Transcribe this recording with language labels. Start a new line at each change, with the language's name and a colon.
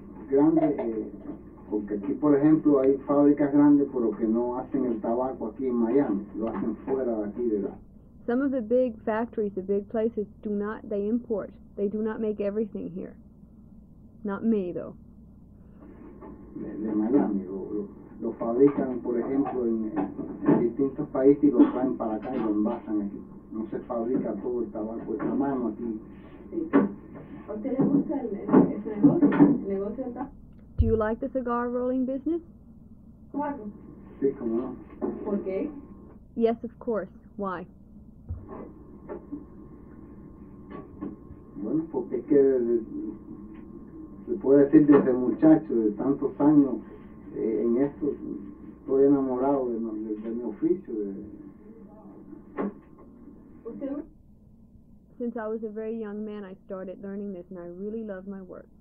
Spanish: Grande, porque aquí, por ejemplo, hay fábricas grandes, pero que no hacen el tabaco aquí en Miami, lo hacen fuera de aquí de la.
English: Some of the big factories, the big places, do not, they import. They do not make everything here. Not me, though.
Spanish: De Miami, lo fabrican, por ejemplo, en distintos países y lo traen para acá y lo envasan aquí. No se fabrica todo el tabaco esta mano aquí. ¿A usted le gusta el negocio?
English: Do you like the cigar rolling business?
Spanish: Claro. Sí, cómo no. ¿Por qué?
English: Yes, of course. Why?
Spanish: Bueno, porque es que se puede decir desde muchacho, de tantos años en esto, estoy enamorado de mi oficio.
English: Since I was a very young man, I started learning this, and I really love my work.